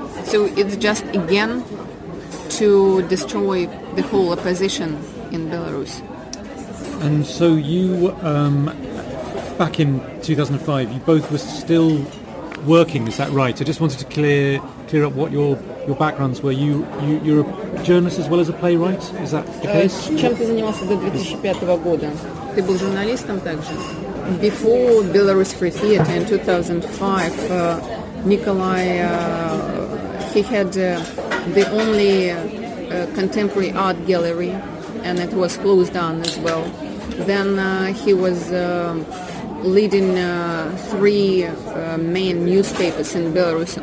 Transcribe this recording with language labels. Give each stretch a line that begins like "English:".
English: So it's just again to destroy the whole opposition in Belarus. And so you, back in 2005, you both were still working, is that right? I just wanted to clear up what your backgrounds were. You're a journalist as well as a playwright, is that the case?
Russian: Чем ты занимался до 2005 года? Ты был журналистом также?
English: Before Belarus Free Theatre in 2005, Nikolai, he had the only contemporary art gallery, and it was closed down as well. Then he was leading three main newspapers in Belarus.